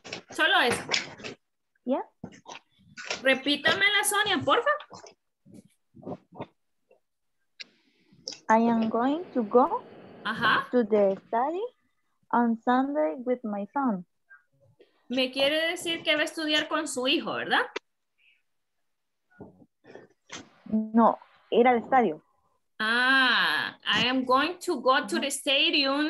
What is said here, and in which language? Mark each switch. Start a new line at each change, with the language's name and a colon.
Spanish: Solo eso.
English: Yeah.
Spanish: Repítamela, Sonia, porfa.
English: I am going to go to the study on Sunday with my son.
Spanish: Me quiere decir que va a estudiar con su hijo, ¿verdad? No, ir al estadio.
English: Ah, I am going to go to the stadium.